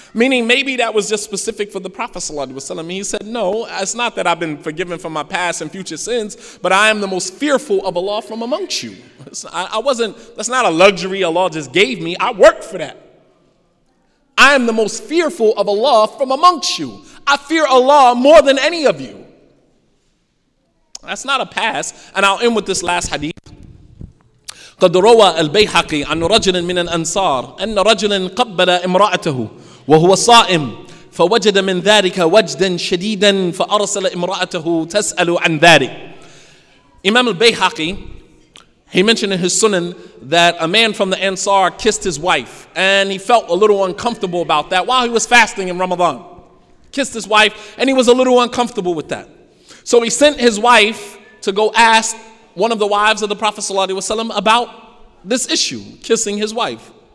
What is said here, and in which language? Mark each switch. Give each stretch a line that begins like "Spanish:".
English: Meaning maybe that was just specific for the Prophet Sallallahu Alaihi Wasallam. He said, no, it's not that I've been forgiven for my past and future sins, but I am the most fearful of Allah from amongst you. That's not a luxury Allah just gave me. I worked for that. I am the most fearful of Allah from amongst you. I fear Allah more than any of you. That's not a pass. And I'll end with this last hadith.
Arabic: قد روى البيحقي عن رجل من الأنصار أن رجلا قبل امرأته وهو صائم فوجد من ذلك وجدا شديدا فأرسل امرأته تسأل عن ذلك.
English: Imam al-Bayhaqi, he mentioned in his Sunan that a man from the Ansar kissed his wife and he felt a little uncomfortable about that while he was fasting in Ramadan. Kissed his wife and he was a little uncomfortable with that. So he sent his wife to go ask one of the wives of the Prophet Sallallahu Alaihi Wasallam about this issue, kissing his wife.